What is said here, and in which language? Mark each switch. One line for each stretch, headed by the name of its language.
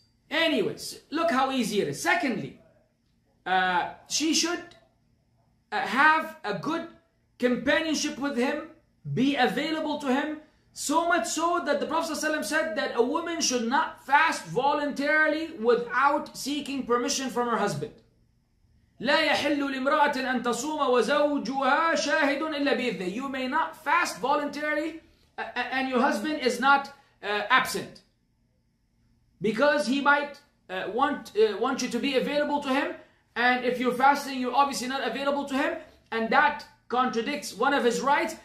English: Anyways, look how easy it is. Secondly, she should have a good companionship with him, be available to him, so much so that the Prophet ﷺ said that a woman should not fast voluntarily without seeking permission from her husband.
Arabic: لا يحل لامرأة أن تصوم وزوجها شاهد إلا بإذنه.
English: You may not fast voluntarily and your husband is not absent, because he might want you to be available to him, and if you're fasting, you're obviously not available to him, and that contradicts one of his rights.